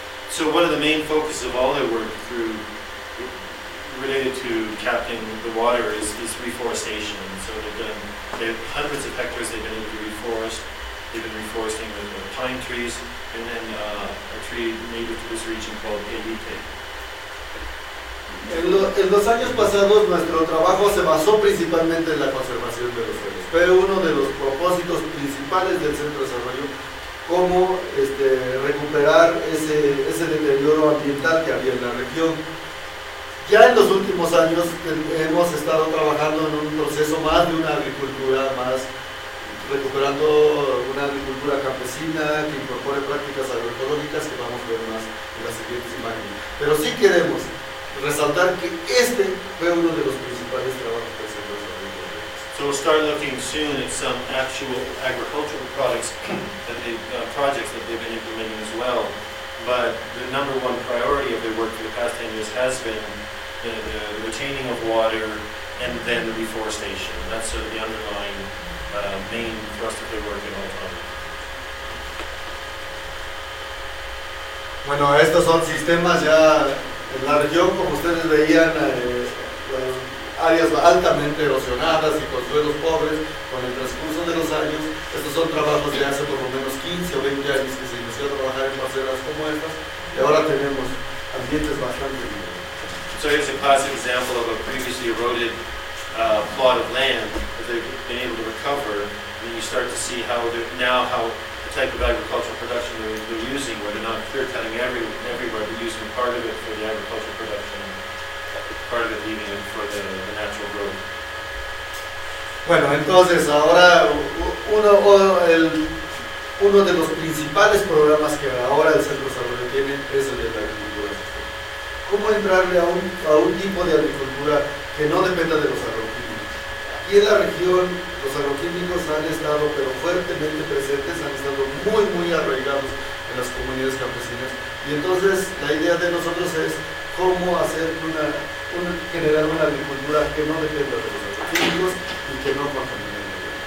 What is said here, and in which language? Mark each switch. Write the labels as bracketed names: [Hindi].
[English] So one of the main focuses of all their work through related to capping the water is reforestation. And so they've done hundreds of hectares they've been able to reforest. They've been reforesting with pine trees and then a tree native to this region called Elite. [Spanish] En los años pasados nuestro trabajo se basó principalmente en la conservación de los suelos, pero uno de los propósitos principales del Centro de Desarrollo como este, recuperar ese deterioro ambiental que había en la región. Ya en los últimos años hemos estado trabajando en un proceso más de una agricultura más recuperando una agricultura campesina que incorpore prácticas agroecológicas que vamos a ver más en las siguientes imágenes, pero sí queremos resaltar que este fue uno de los principales trabajos que se nos ha. [English] So we'll start looking soon at some actual agricultural products that projects that they've been implementing as well. But the number one priority of their work for the past 10 years has been the retaining of water and then the reforestation. That's sort of the underlying main thrust of their work in all time. [Spanish] Bueno, estos son sistemas ya. En la región, como ustedes veían, las áreas altamente erosionadas y con suelos pobres, con el transcurso de los años, estos son trabajos de hace por lo menos 15 o 20 años que se inició a trabajar en parcelas como estas, y ahora tenemos ambientes bastante bien. [English] So here's a classic example of a previously eroded plot of land that they've been able to recover, and you start to see how now how type of agricultural production they're using, where they're not clear cutting everywhere, they're using part of it for the agricultural production, part of it leaving it for the natural growth. [Spanish] Bueno, entonces ahora uno de los principales programas que ahora el Centro Salvador tiene es el de la agricultura. ¿Cómo entrarle a un tipo de agricultura que no dependa de los agroquímicos? Aquí en la región los agroquímicos han estado pero fuertemente presentes, han estado muy muy arraigados en las comunidades campesinas, y entonces la idea de nosotros es cómo hacer generar una agricultura que no dependa de los agroquímicos y que no contamine.